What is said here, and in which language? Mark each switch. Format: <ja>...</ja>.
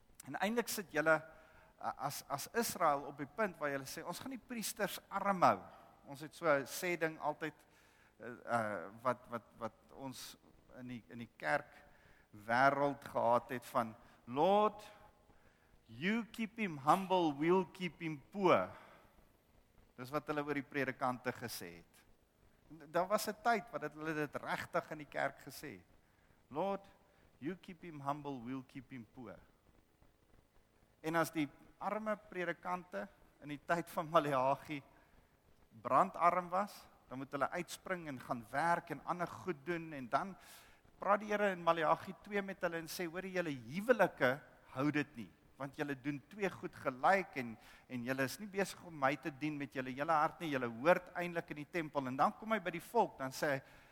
<af>en eintlik sit julle as Israel op die punt waar julle sê, ons gaan die priesters arm hou, ons het so sê ding altyd, wat ons in die kerk wêreld gehad het van</af> <en>Lord, you keep him humble, we'll keep him poor.</en> <af>Dis wat hulle oor die predikante gesê het. Daar was 'n tyd wat hulle dit regtig in die kerk gesê het.</af> <en>Lord, you keep him humble, we'll keep him poor.</en> <af>En as die arme predikante in die tyd van Maleagi brandarm was, dan moet hulle uitspring en gaan werk en ander goed doen, en dan praat die Here in Maleagi 2 met hulle en sê, hoor julle huwelike, hou dit nie, want julle doen twee goed gelyk, en julle is nie besig om my te dien met julle hele hart nie, julle hoort eintlik in die tempel, en dan kom hy by die volk, dan sê hy,</af>